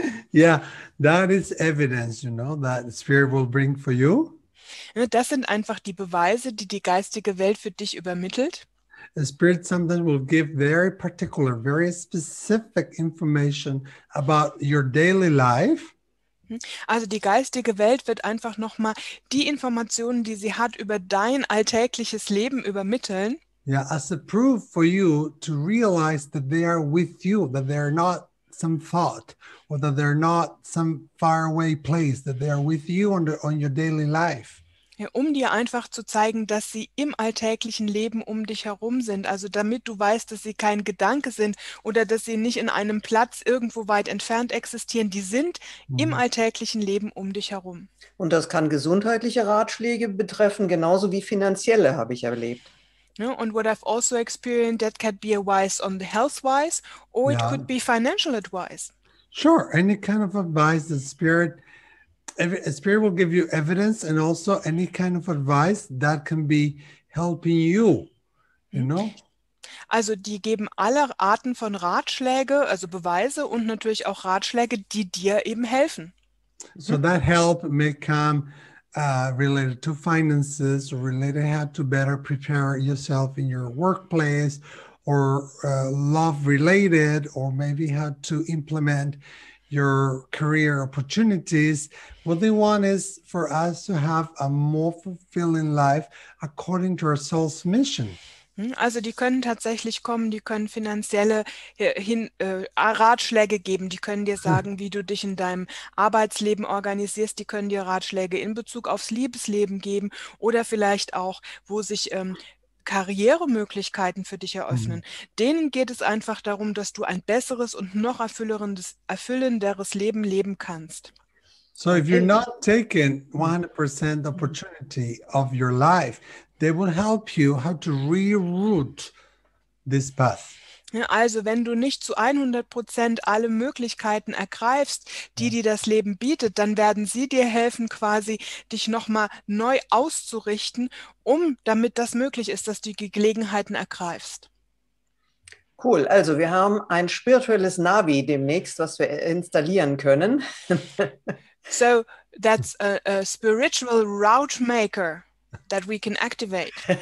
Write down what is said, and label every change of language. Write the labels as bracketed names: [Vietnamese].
[English] Yeah, that is evidence, you know, that spirit will bring for you. [German] Das sind einfach die Beweise, die die geistige Welt für dich übermittelt. [English] The spirit sometimes will give very particular, very specific information about your daily life. [German] Also die geistige Welt wird einfach nochmal die Informationen, die sie hat, über dein alltägliches Leben übermitteln. [English] Yeah, as a proof for you to realize that they are with you, that they are not some thought, or that they are not some faraway place, that they are with you on, the, on your daily life. [German] Ja, um dir einfach zu zeigen, dass sie im alltäglichen Leben um dich herum sind. Also damit du weißt, dass sie kein Gedanke sind oder dass sie nicht in einem Platz irgendwo weit entfernt existieren. Die sind im alltäglichen Leben um dich herum. Und das kann gesundheitliche Ratschläge betreffen, genauso wie finanzielle, habe ich erlebt. Ja, und [English] what I've also experienced, that could be a wise on the health-wise or it could be financial advice. Sure, any kind of advice, the spirit... A spirit will give you evidence and also any kind of advice that can be helping you, you know? [German] Also die geben alle Arten von Ratschläge, also Beweise und natürlich auch Ratschläge, die dir eben helfen. [English] So that help may come related to finances, related how to better prepare yourself in your workplace or love related, or maybe how to implement your career opportunities. What they want is for us to have a more fulfilling life according to our soul's mission. [German] Also die können tatsächlich kommen, die können finanzielle Ratschläge geben, die können dir sagen, wie du dich in deinem Arbeitsleben organisierst, die können dir Ratschläge in Bezug aufs Liebesleben geben oder vielleicht auch, wo sich Karrieremöglichkeiten für dich eröffnen. Mhm. Denen geht es einfach darum, dass du ein besseres und noch erfüllenderes Leben leben kannst. [English] So if you're not taking 100% opportunity of your life, they will help you how to reroute this path. [German] Also wenn du nicht zu 100% alle Möglichkeiten ergreifst, die dir das Leben bietet, dann werden sie dir helfen, quasi dich nochmal neu auszurichten, um damit das möglich ist, dass du die Gelegenheiten ergreifst. Cool, also wir haben ein spirituelles Navi demnächst, was wir installieren können. [English] So that's a spiritual route maker that we can activate.